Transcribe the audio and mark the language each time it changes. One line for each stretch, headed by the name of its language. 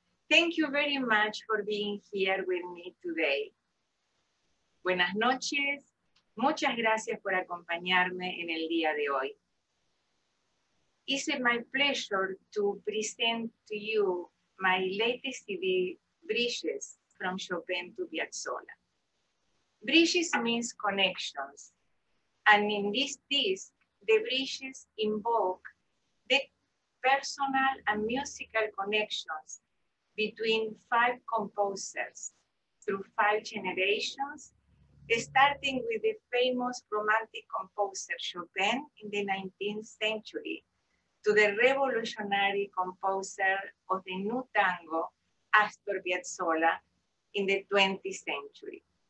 English: Thank you very much for being here with me today.
Spanish: Buenas noches. Muchas gracias por acompañarme en el día de hoy.
English: It's my pleasure to present to you my latest CD, Bridges, from Chopin to Piazzolla. Bridges means connections. And in this disc, the bridges invoke the personal and musical connections between five composers through five generations, starting with the famous romantic composer Chopin in the 19th century to the revolutionary composer of the new tango, Astor Piazzolla, in the 20th century.